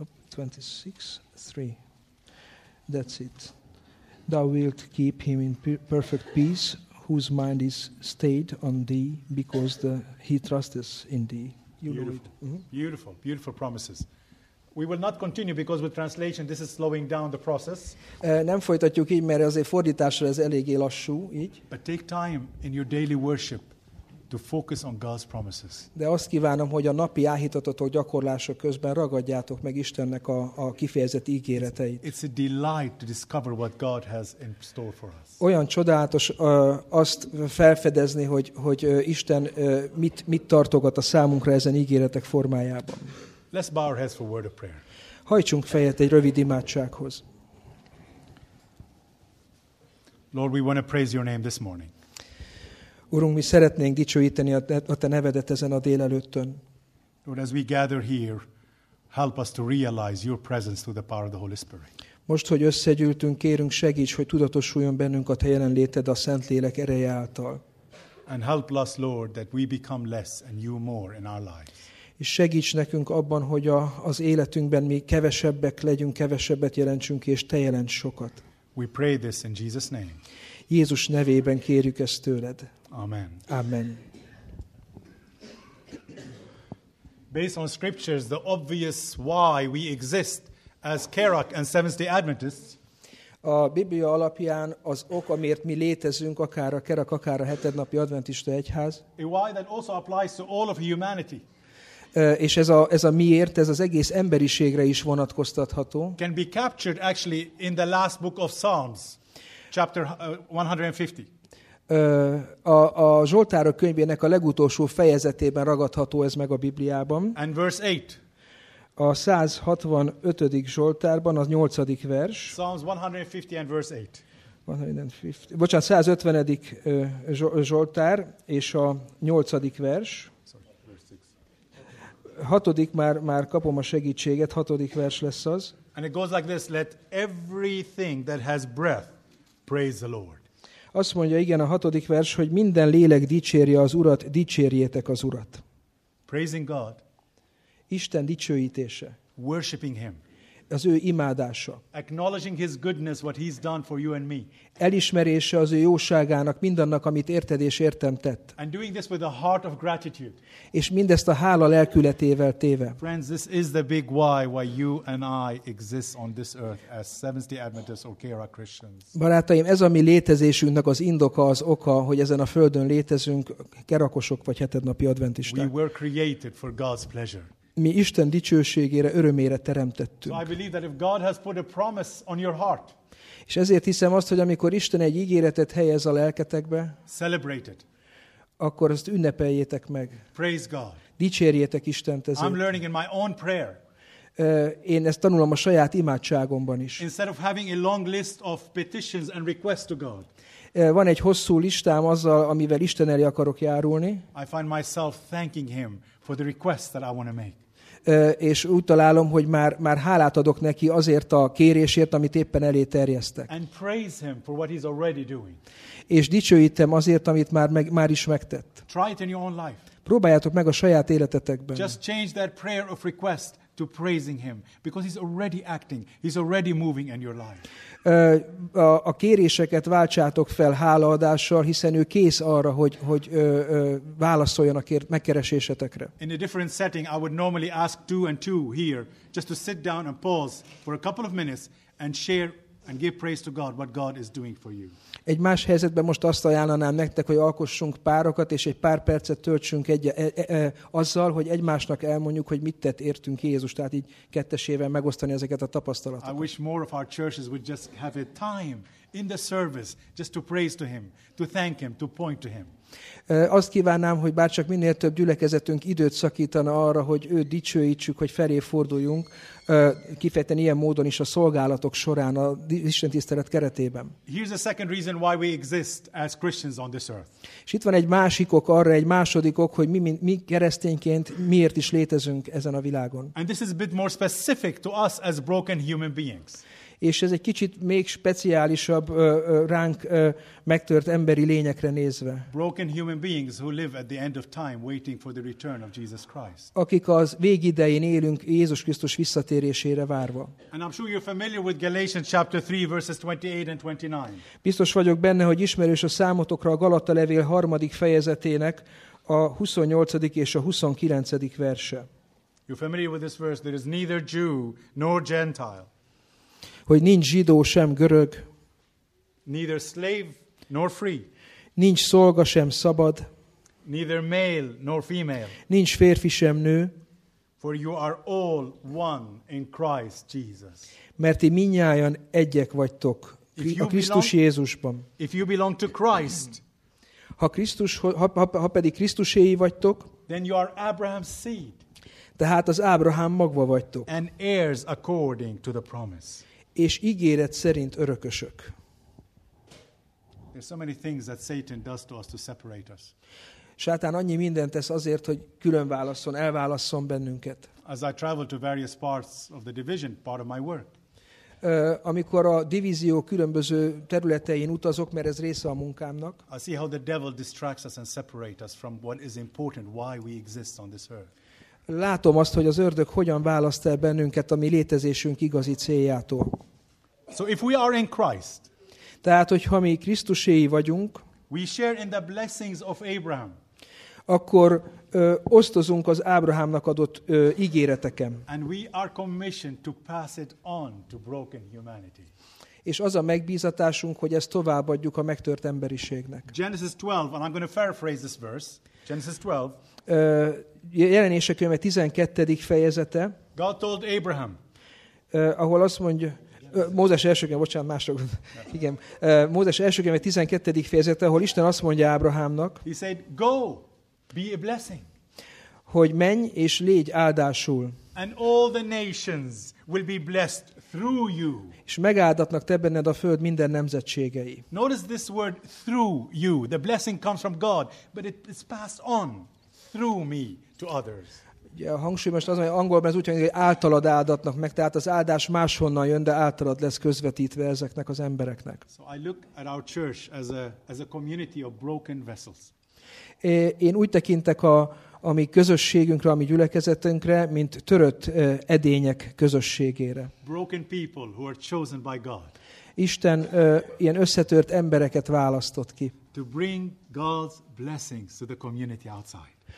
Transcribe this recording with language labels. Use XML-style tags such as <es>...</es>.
<en>26:3. That's it. Thou wilt keep him in perfect peace, whose mind is stayed on thee, because he trusteth in thee. You beautiful. Read. Mm-hmm. Beautiful, beautiful promises. We will not continue because with translation this is slowing down the process.</en> <hu>Nem folytatjuk így, mert azért fordításra ez eléggé lassú, így.</hu> <en>But take time in your daily worship to focus on God's promises.</en> <hu>De azt kívánom, hogy a napi áhítatotok gyakorlások közben ragadjátok meg Istennek a kifejezett ígéreteit.</hu> <en>It's a delight to discover what God has in store for us.</en> <hu>Olyan csodálatos azt felfedezni, hogy Isten mit tartogat a számunkra ezen ígéretek formájában.</hu> <en>Let's bow our heads for a word of prayer.</en> <hu>Hajtsunk fejet egy rövid imádsághoz.</hu> <en>Lord, we want to praise your name this morning.</en> <hu>Urunk, mi szeretnénk dicsőíteni a te nevedet ezen a délelőttön.</hu> <en>Lord, as we gather here, help us to realize your presence through the power of the Holy Spirit.</en> <hu>Most, hogy összegyűltünk, kérünk segíts, hogy tudatosuljon bennünk a te jelenléted a Szentlélek ereje által.</hu> <en>And help us, Lord, that we become less and you more in our lives.</en> <hu>És segíts nekünk abban, hogy az életünkben mi kevesebbek legyünk, kevesebbet jelentsünk, és te jelents sokat.</hu> <en>We pray this in Jesus name.</en> <hu>Jézus nevében kérjük ezt tőled.</hu> <en>Amen. Amen. Based on scriptures, the obvious why we exist as Kerak and Seventh-day Adventists.</en> <hu>A Biblia alapján az ok, amiért mi létezünk, akár a Kerak, akár a hetednapi adventista egyház.</hu> <en>A why that also applies to all of humanity.</en> <hu>És ez a miért, ez az egész emberiségre is vonatkoztatható.</hu> <en>Can be captured actually in the last book of Psalms, chapter 150.</en> <hu>A Zsoltárok könyvének a legutolsó fejezetében ragadható ez meg a Bibliában.</hu> <en>And verse 8.</en> <hu>A 165. Zsoltárban, az 8. vers.</hu> <en>Psalms 150 and verse 8.</en> <hu>150. Bocsánat, 150. Zsoltár és a 8. vers. 6. már kapom a segítséget, 6. vers lesz az.</hu> <en>And it goes like this, let everything that has breath praise the Lord.</en> <hu>Azt mondja, igen, a 6. vers, hogy minden lélek dicsérje az Urat, dicsérjétek az Urat.</hu> <en>Praising God.</en> <hu>Isten dicsőítése.</hu> <en>Worshiping him.</en> <hu>Az ő imádása.</hu> <en>Acknowledging his goodness, what he's done for you and me.</en> <hu>Elismerése az ő jóságának, mindannak, amit érted és értem tett.</hu> <en>And doing this with a heart of gratitude.</en> <hu>És mindezt a hála lelkületével téve.</hu> <en>Friends, this is the big why you and I exist on this earth as Seventh-day Adventists or Kera Christians.</en> <hu>Barátaim, ez a mi létezésünknek az indoka, az oka, hogy ezen a földön létezünk, kerakosok vagy hetednapi adventisták.</hu> <en>We were created for God's pleasure.</en> <hu>Mi Isten dicsőségére, örömére teremtettünk.</hu> <en>So I believe that if God has put a promise on your heart.</en> <hu>És ezért hiszem azt, hogy amikor Isten egy ígéretet helyez a lelketekbe,</hu> <en>celebrate it.</en> <hu>Akkor ezt ünnepeljétek meg.</hu> <en>Praise God.</en> <hu>Dicsérjétek Istent ezért.</hu> <en>I'm learning in my own prayer.</en> <hu>Én ezt tanulom a saját imádságomban is.</hu> <en>Instead of having a long list of petitions and requests to God.</en> <hu>Van egy hosszú listám azzal, amivel Isten elé akarok járulni.</hu> <en>I find myself thanking him for the requests that I want to make.</en> <hu>és úgy találom, hogy már hálát adok neki azért a kérésért, amit éppen elé terjesztek.</hu> <en>And praise him for what he's already doing.</en> <hu>És dicsőítem azért, amit már is megtett.</hu> <en>Try it in your own life.</en> <hu>Próbáljátok meg a saját életetekben.</hu> <en>Just change that prayer of request to praising him, because he's already acting, he's already moving in your life.</en> <hu>A kéréseket váltsátok fel hálaadással, hiszen ő kész arra, hogy válaszoljon a megkeresésetekre.</hu> <en>In a different setting, I would normally ask two and two here, just to sit down and pause for a couple of minutes and share and give praise to God what God is doing for you.</en> <hu>Egy más helyzetben most azt ajánlanám nektek, hogy alkossunk párokat, és egy pár percet töltsünk azzal, hogy egymásnak elmondjuk, hogy mit tett értünk Jézus, tehát így kettesével megosztani ezeket a tapasztalatokat.</hu> <en>I wish more of our churches would just have a time in the service just to praise to him, to thank him, to point to him.</en> <hu>Azt kívánnám, hogy bárcsak minél több gyülekezetünk időt szakítana arra, hogy őt dicsőítsük, hogy felé forduljunk, kifejten ilyen módon is a szolgálatok során, a istentisztelet keretében.</hu> <en>Here's a second reason why we exist as Christians on this earth.</en> <hu>És itt van egy másik ok arra, egy második ok, hogy mi keresztényként miért is létezünk ezen a világon.</hu> <en>And this is a bit more specific to us as broken human beings.</en> <hu>És ez egy kicsit még speciálisabb ránk megtört emberi lényekre nézve.</hu> <en>Broken human beings who live at the end of time waiting for the return of Jesus Christ.</en> <hu>Akik az végidején élünk Jézus Krisztus visszatérésére várva.</hu> <en>And I'm sure you're familiar with Galatians chapter 3 verses 28 and 29.</en> <hu>Biztos vagyok benne, hogy ismerős a számotokra a Galata levél harmadik fejezetének a 28. és a 29. verse.</hu> <en>You're familiar with this verse, there is neither Jew nor Gentile.</en> <hu>Hogy nincs zsidó sem görög,</hu> <en>neither slave nor free,</en> <hu>nincs szolga sem szabad,</hu> <en>neither male nor female,</en> <hu>nincs férfi sem nő,</hu> <en>for you are all one in Christ Jesus.</en> <hu>Mert ti mindnyájan egyek vagytok a Krisztus Jézusban.</hu> <en>If you belong to Christ,</en> <hu>ha pedig Krisztuséi vagytok,</hu> <en>then you are Abraham's seed.</en> <hu>Tehát az Ábrahám magva vagytok.</hu> <en>And heirs according to the promise.</en> <hu>És ígéret szerint örökösök.</hu> <en>There's so many things that Satan does to us to separate us.</en> <hu>Sátán annyi mindent tesz azért, hogy különválasszon, elválasszon bennünket.</hu> <en>As I travel to various parts of the division, part of my work.</en> <hu>Amikor a divízió különböző területein utazok, mert ez része a munkámnak.</hu> <en>I see how the devil distracts us and separates us from what is important, why we exist on this earth.</en> <hu>Látom azt, hogy az ördög hogyan választ el bennünket a mi létezésünk igazi céljától.</hu> <en>So if we are in Christ,</en> <hu>tehát, hogyha mi Krisztuséi vagyunk,</hu> <en>we share in the blessings of Abraham,</en> <hu>akkor osztozunk az Ábrahámnak adott ígéreteken.</hu> <en>And we are commissioned to pass it on to broken humanity.</en> <hu>És az a megbízatásunk, hogy ezt továbbadjuk a megtört emberiségnek.</hu> <en>Genesis 12, and I'm going to paraphrase this verse. Genesis 12.</en> <hu>Jelenések könyve 12. fejezete.</hu> <en>God told Abraham.</en> <hu>Ahol azt mondja, Mózes első könyve, bocsánat, mások. Igen. Mózes első könyve 12. fejezete, ahol Isten azt mondja Ábrahámnak.</hu> <en>He said, go, be a blessing.</en> <hu>Hogy menj és légy áldásul.</hu> <en>And all the nations will be blessed through you.</en> <hu>És megáldatnak te benned a föld minden nemzetségei.</hu> <en>Notice this word through you. The blessing comes from God, but it's passed on through me to others.</en> <hu>Ja, a hangsúly most az, hogy angolban ez úgy hangzik, hogy általad áldatnak meg, tehát az áldás máshonnan jön, de általad lesz közvetítve ezeknek az embereknek.</hu> <en>So I look at our church as a community of broken vessels.</en> <hu>Én úgy tekintek a mi közösségünkre, a mi gyülekezetünkre, mint törött edények közösségére.</hu> <en>Broken people who are chosen by God.</en> <hu>Isten ilyen összetört embereket választott ki.</hu> <en>To bring God's blessings to the community outside.</en>